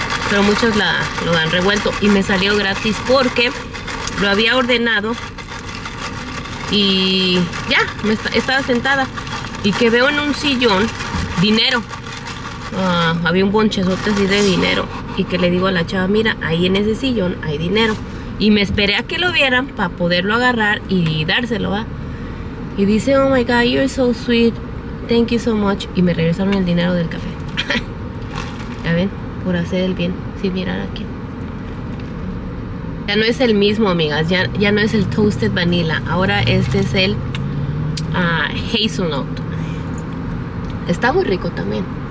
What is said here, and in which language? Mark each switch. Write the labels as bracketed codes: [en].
[es] Pero muchos lo dan revuelto y me salió gratis porque lo había ordenado y ya, estaba sentada. Y que veo en un sillón dinero. Había un bonchezote así de dinero. Y que le digo a la chava, mira, ahí en ese sillón hay dinero. Y me esperé a que lo vieran para poderlo agarrar y dárselo, ¿va? Y dice, [en] oh my God, you're so sweet. Thank you so much. [es] Y me regresaron el dinero del café. ¿Ya ven? Por hacer el bien. Sin mirar a quién. Ya no es el mismo, amigas. Ya no es el toasted vanilla. Ahora este es el hazelnut. Está muy rico también.